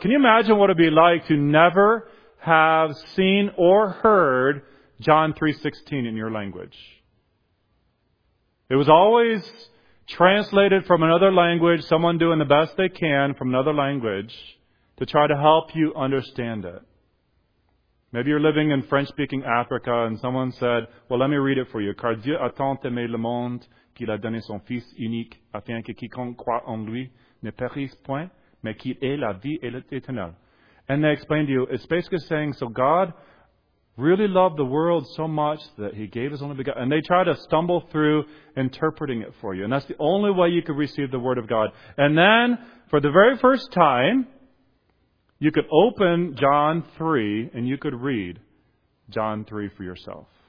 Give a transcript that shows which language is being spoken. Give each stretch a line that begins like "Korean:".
English: Can you imagine what it would be like to never have seen or heard John 3:16 in your language? It was always translated from another language, someone doing the best they can from another language to try to help you understand it. Maybe you're living in French-speaking Africa and someone said, well, let me read it for you.
French: Car Dieu a tant aimé le monde qu'il a donné son fils unique afin que quiconque croit en lui ne périsse point, mais qu'il ait la vie et l'éternel.
English: And they explained to you, it's basically saying, so God really loved the world so much that he gave his only begotten. And they try to stumble through interpreting it for you. And that's the only way you could receive the Word of God. And then, for the very first time, you could open John 3 and you could read John 3 for yourself.